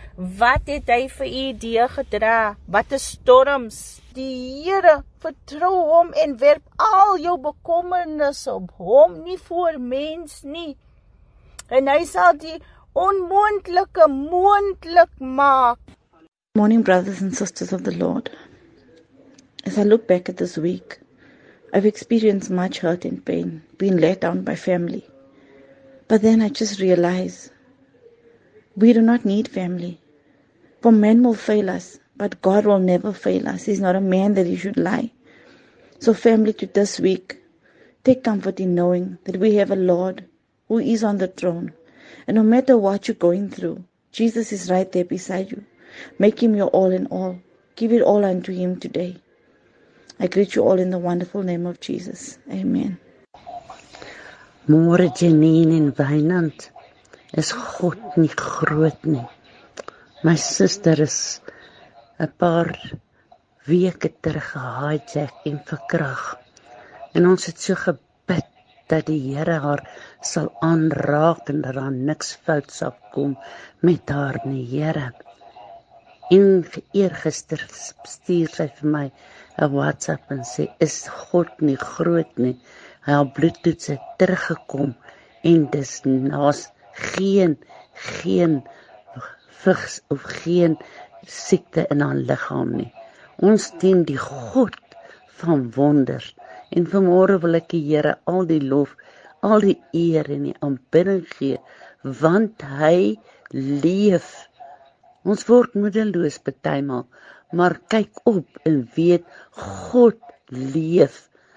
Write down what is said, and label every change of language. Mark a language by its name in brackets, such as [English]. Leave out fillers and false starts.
[Afrikaans] Wat het hy vir u deurgedra? Wat te storms? Die Here, vertrou hom en werp al jou bekommernis op hom, nie voor mens nie. En hy sal die onmoontlike moontlik maak. [English] Morning, brothers and sisters of the Lord. As I look back at this week, I've experienced much hurt and pain, being let down by family. But then I just realize, we do not need family. For men will fail us, but God will never fail us. He's not a man that he should lie. So family, to this week, take comfort in knowing that we have a Lord who is on the throne. And no matter what you're going through, Jesus is right there beside you. Make him your all in all. Give it all unto him today. I greet you all in the wonderful name of Jesus. Amen. [Afrikaans] Môre Janine en Wynand, is God nie groot nie. My suster is 'n paar weke terug gehijack en verkrag. En ons het so gebid dat die Here haar sal aanraak en dat daar niks fout sal kom met haar nie, Here. En eergister stuur sy vir my 'n WhatsApp en sê, is God nie groot nie? Hy al bloedtoets het teruggekom en dis naas geen vigs of geen siekte in haar liggaam nie. Ons dien die God van wonders. En vanmôre wil ek die Here al die lof, al die eer en die aanbidding gee, want hy leef. Ons word moedeloos bytydmal, maar kyk op en weet, God leef.